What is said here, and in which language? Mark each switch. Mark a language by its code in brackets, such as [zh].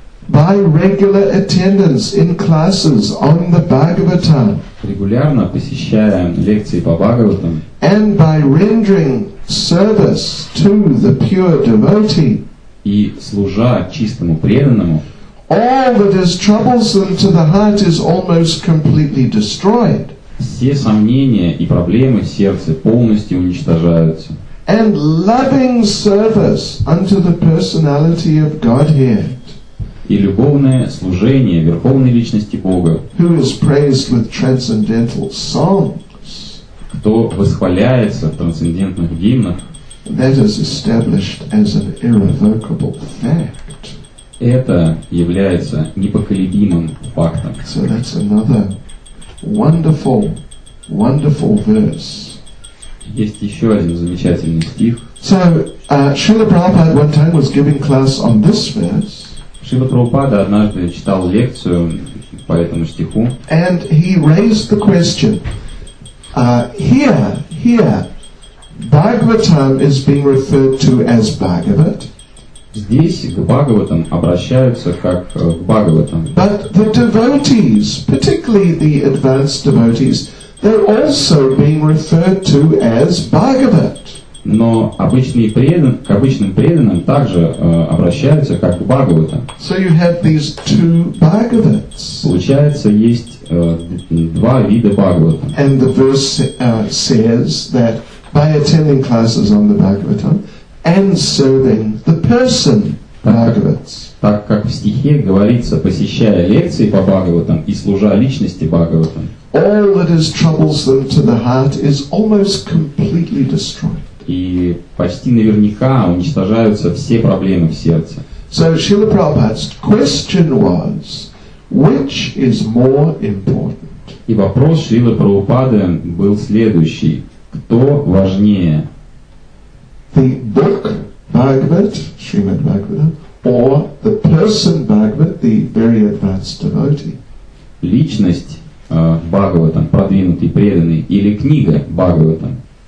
[en] By regular attendance in classes on the Bhagavatam, [ru] регулярно посещая лекции по Бхагаватам, [en] and by rendering service to the pure devotee, [ru] и служа чистому преданному, [en] all that is troublesome to the heart is almost completely destroyed. [ru] Все сомнения и проблемы в сердце полностью уничтожаются. [en] And loving service unto the personality of Godhead. [ru] И любовное служение Верховной Личности Бога. [en] Who is praised with transcendental songs. [ru] Кто восхваляется в трансцендентных гимнах. [en] That is established as an irrevocable fact. [ru] Это является непоколебимым фактом. [en] So that's another wonderful, wonderful verse. [ru] Есть еще один замечательный стих. [en] So, Srila Prabhupada one time was giving class on this verse. [ru] Srila Prabhupada однажды читал лекцию по этому стиху. [en] And he raised the question, here, Bhagavatam is being referred to as Bhagavat. [ru] Здесь к Бхагаватам обращаются как к Бхагаватам. [en] But the devotees, particularly the advanced devotees, they're also being referred to as Bhagavat. [ru] Но обычные преданные, к обычным преданным также обращаются как к Бхагаватам. [en] So you have these two Bhagavats. [ru] Получается, есть два вида Бхагаватам. [en] And the verse says that by attending classes on the Bhagavatam and serving the person Bhagavats. [ru] Так как в стихе говорится, посещая лекции по Бхагаватам и служа личности Бхагаватам. [en] All that is troublesome to the heart is almost completely destroyed. [ru] И почти наверняка уничтожаются все проблемы в сердце. [en] So Srila Prabhupada's question was, which is more important? [ru] И вопрос Шрилы Прабхупады был следующий. Кто важнее? [en] The book Bhagavat, Srimad Bhagavatam, or the person Bhagavat, the very advanced devotee. [ru] Личность Бхагаватам, продвинутый преданный, или книга Бхагаватам.